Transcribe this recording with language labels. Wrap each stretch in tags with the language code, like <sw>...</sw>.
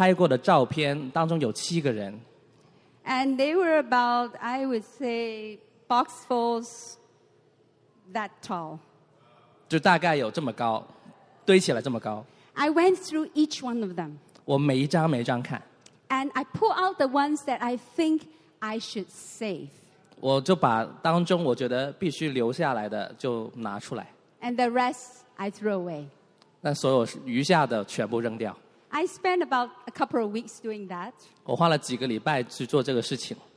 <zh>我们有50年的所拍过的照片当中有7个人。</zh> <en>And they were about, I would say, boxfuls that tall.</en> <zh>就大概有这么高，堆起来这么高。</zh> <en>I went through each one of them.</en> <zh>我每一张每一张看。</zh> <en>And I pull out the ones that I think I should save.</en> <zh>我就把当中我觉得必须留下来的就拿出来。</zh> <en>And the rest I throw away.</en> <zh>那所有余下的全部扔掉。</zh> <en>I spent about a couple of weeks doing that.</en> <zh>我花了几个礼拜去做这个事情。</zh>